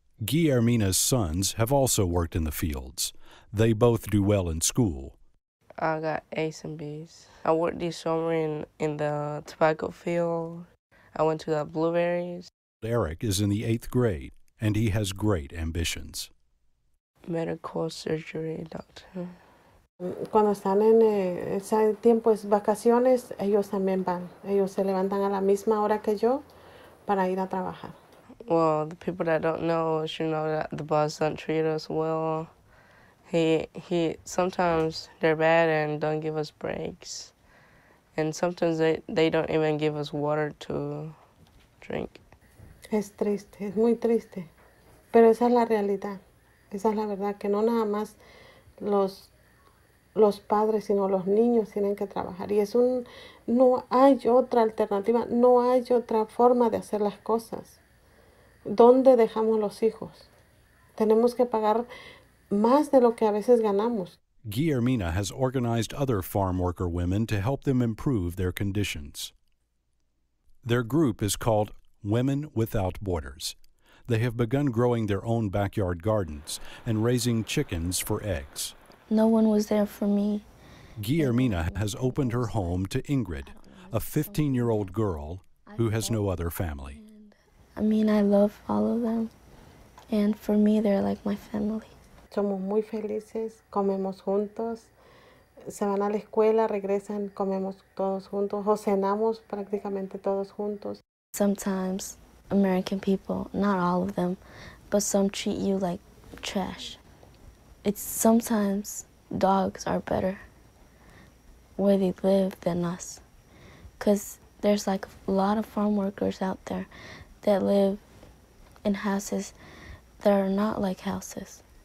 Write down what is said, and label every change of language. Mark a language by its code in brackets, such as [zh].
[en] Guillermina's sons have also worked in the fields. They both do well in school. I got A's and B's. I worked this summer in the tobacco field. I went to the blueberries. Eric is in the eighth grade, and he has great ambitions. Medical surgery doctor. [es] Cuando están en ese tiempo es vacaciones, ellos también van. Ellos se levantan a la misma hora que yo para ir a trabajar. [en] Well, the people that don't know should know that the boss don't treat us well. He sometimes they're bad and don't give us breaks. And sometimes they don't even give us water to drink. [es] Es triste, es muy triste. Pero esa es la realidad. Esa es la verdad, que no nada más los padres, sino los niños tienen que trabajar. Y es un, no hay otra alternativa, no hay otra forma de hacer las cosas. ¿Dónde dejamos los hijos? Tenemos que pagar más de lo que a veces ganamos. [en] Guillermina has organized other farm worker women to help them improve their conditions. Their group is called Women Without Borders. They have begun growing their own backyard gardens and raising chickens for eggs. No one was there for me. Guillermina has opened her home to Ingrid, a 15-year-old girl who has no other family. I mean, I love all of them, and for me, they're like my family. [es] Somos muy felices, comemos juntos. Se van a la escuela, regresan, comemos todos juntos, o cenamos prácticamente todos juntos. [en] Sometimes American people, not all of them, but some treat you like trash. It's sometimes dogs are better where they live than us. Because there's like a lot of farm workers out there that live in houses that are not like houses.